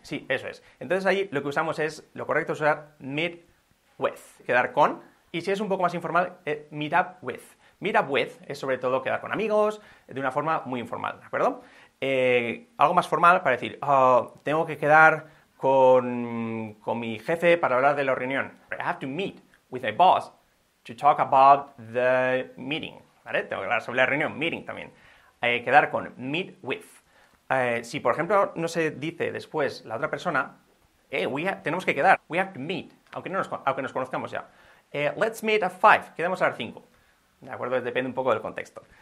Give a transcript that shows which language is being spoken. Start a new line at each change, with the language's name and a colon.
Spanish: Sí, eso es. Entonces ahí lo que usamos es, lo correcto es usar meet with, quedar con, y si es un poco más informal, meet up with. Meet up with es sobre todo quedar con amigos de una forma muy informal, ¿de acuerdo? Algo más formal para decir, tengo que quedar con mi jefe para hablar de la reunión.
English: I have to meet with my boss to talk about the meeting.
Spanish: ¿Vale? Tengo que hablar sobre la reunión, meeting también. Quedar con, meet with. Si, por ejemplo, no se dice después la otra persona, tenemos que quedar,
English: we have to meet,
Spanish: aunque nos conozcamos ya.
English: Let's meet at 5,
Spanish: quedamos a las 5. ¿De acuerdo? Depende un poco del contexto.